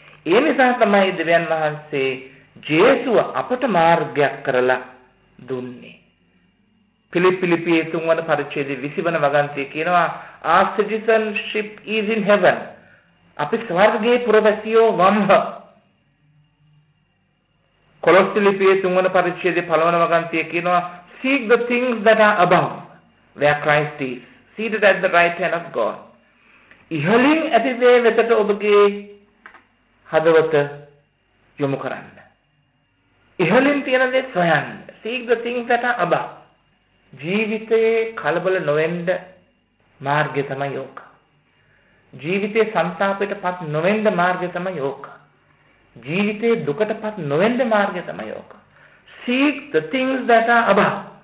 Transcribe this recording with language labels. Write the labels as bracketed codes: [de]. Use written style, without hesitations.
[si] Eni Sahatama Idriyan Vahasa ජේසුව අපට මාර්ගයක් කරලා දුන්නේ. පිලිප්පිලිපියේ 3 පරිච්ඡේදයේ 20 වගන්තිය කියනවා [en] our citizenship is in heaven. [si] අපි ස්වර්ගයේ පුරවැසියෝ වම්හ. කොලොස්සිලිපියේ 3 පරිච්ඡේදයේ 15 වගන්තිය කියනවා [en] seek the things that are above where Christ is seated at the right hand of God. [si] ඉහළින් ඇති දේ වෙතට ඔබගේ හදවත යොමු කරන්න. ඉහළින් තියෙන දේ සොයන්න. [en] Seek the things that are above. [si] ජීවිතේ කලබල නොවෙන්න මාර්ගය තමයි යෝක. ජීවිතේ සංතාපයටපත් නොවෙන්න මාර්ගය තමයි යෝක. ජීවිතේ දුකටපත් නොවෙන්න මාර්ගය තමයි යෝක. [en] Seek the things that are above.